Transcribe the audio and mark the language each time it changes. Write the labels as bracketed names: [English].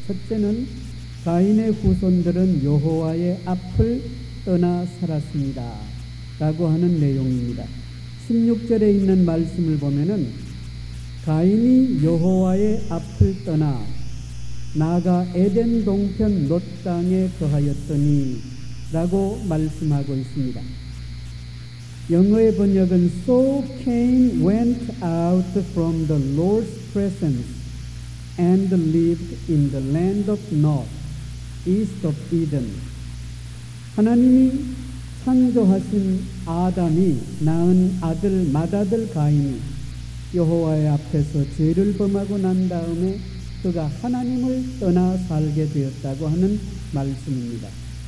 [Korean] 첫째는 가인의 후손들은 여호와의 앞을 떠나 살았습니다 라고 하는 내용입니다. 16절에 있는 말씀을 보면은 가인이 여호와의 앞을 떠나 나가 에덴 동편 롯 땅에 거하였더니 라고 말씀하고 있습니다. 영어의 번역은 [English] So Cain went out from the Lord's presence and lived in the land of Nod, east of Eden. [Korean] 하나님이 창조하신 아담이 낳은 아들 맏아들 가인이 여호와의 앞에서 죄를 범하고 난 다음에 그가 하나님을 떠나 살게 되었다고 하는 말씀입니다.